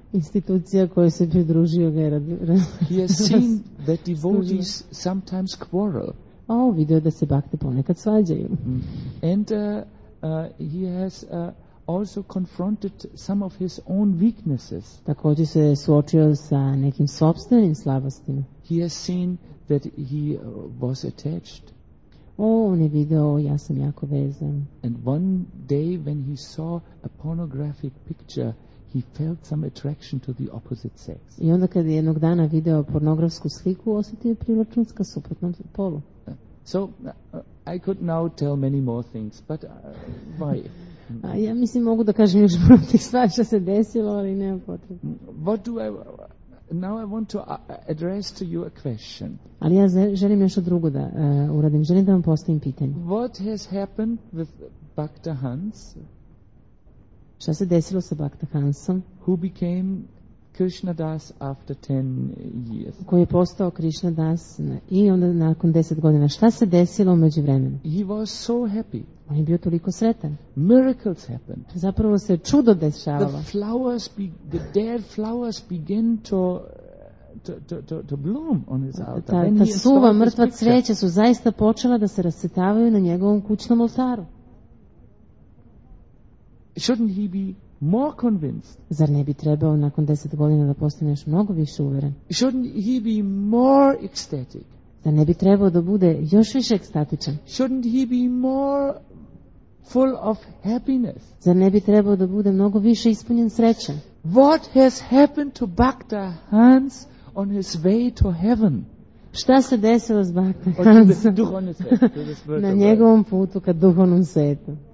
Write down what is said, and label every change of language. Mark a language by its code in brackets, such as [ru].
[sr] Institucija kojoj se pridružio ga je [en] He has seen that devotees sometimes quarrel. [sr] Oh, video da se bhakti ponekad svađaju. [en] And he has also confronted some of his own weaknesses. [sr] Takođe se suočio sa nekim sopstvenim slabostima. [en] He has seen that he was attached. [sr] Oh, on je video, ja sam jako vezan. [en] And one day when he saw a pornographic picture, he felt some attraction to the opposite sex. [sr] I onda kada je jednog dana video pornografsku sliku, osetio privlačnost ka suprotnom polu. [en] So I could now tell many more things, but why? [sr] Ja mislim mogu da kažem još mnogo tih stvari što se desilo, ali ne potrebno. [en] What do I now I want to address to you a question. [sr] Ali ja želim nešto drugo da uradim. Želim da vam postavim pitanje. [en] What has happened with Bhakta Hans? [sr] Šta se desilo sa Bhakta Hansom? [en] Who became Krishna Das after 10 years. [sr] Koji je postao Krishna Das i onda nakon 10 godina šta se desilo u međuvremenu? [en] He was so happy. [sr] On je bio toliko sretan. [en] Miracles happened. [sr] Zapravo se čudo dešavalo. [en] The flowers the dead flowers begin to bloom on his altar. [sr] Ta suva mrtva cveća su zaista počela da se rascvetavaju na njegovom kućnom oltaru. [en] Shouldn't he be more convinced? [sr] Zar ne bi trebao nakon 10 godina da postane još mnogo više uveren? [en] Shouldn't he be more ecstatic? [sr] Zar ne bi trebao da bude još više ekstatičan? [en] Shouldn't he be more full of happiness? [sr] Zar ne bi trebao da bude mnogo više ispunjen sreće? [en] What has happened to Bhakta Hans on his way to heaven? [sr] Šta se desilo s Bhakta Hansom? Na njegovom putu ka duhovnom svetu.